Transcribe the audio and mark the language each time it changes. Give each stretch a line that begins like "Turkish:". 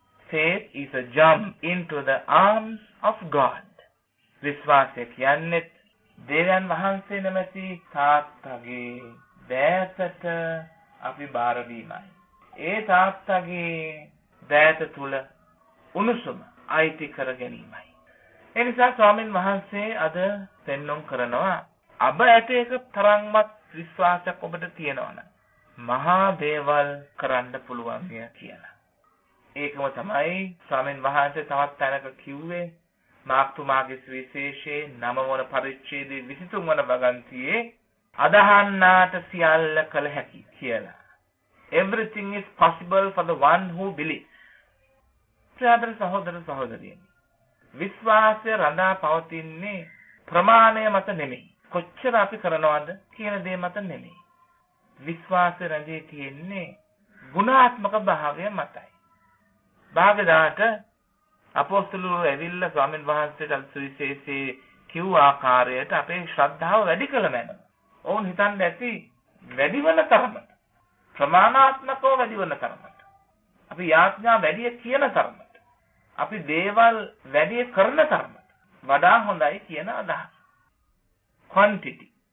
English: Faith is a jump into the arms of God.
Sinhala: විශ්වාසය කියන්නේ දේවයන් වහන්සේ නැමැති තාත්තගේ දෑතට අපි බාර වීමයි. ඒ තාත්තගේ දෑත තුල උණුසුම අයිති කර ගැනීමයි. එනිසා ස්වාමීන් වහන්සේ අද පෙන්නුම් කරනවා අබ ඇටයක තරම්වත් විශ්වාසයක් ඔබට තියෙනවා නම් මහා දේවල් කරන්න පුළුවන් කියලා. ඒකම තමයි ස්වාමීන් වහන්සේ තවත් තැනක කිව්වේ මාක්තුමාගේ සුවිශේෂයේ 9 වන පරිච්ඡේදයේ 23 වන වගන්තියේ අදහන්නාට සියල්ල කළ හැකි කියලා.
English: Everything is possible for the one who believes.
Sinhala: ප්‍රියදර සහෝදර සහෝදරියනි, විශ්වාසය රඳා පවතින්නේ ප්‍රමාණය මත නෙමෙයි, කොච්චර අපි කරනවද කියන දේ මත නෙමෙයි. විශ්වාසය රැඳී තියෙන්නේ ගුණාත්මක භාවය මතයි. භාගදාට අපොස්තුලෝ ඇවිල්ලා ස්වාමීන් වහන්සේට සුවිශේෂී කිව් ආකාරයට අපේ ශ්‍රද්ධාව වැඩි කළ මැන ඔවුන් හිතන්න ඇති වැඩිවන තරමට, ප්‍රමාණාත්මකව වැඩිවන තරමට, අපි යාඥා වැඩි කියන තරමට, අපි දේවල් වැඩි කරන තරම වඩා හොඳයි කියන අදහස. ක්වොන්ටිටි.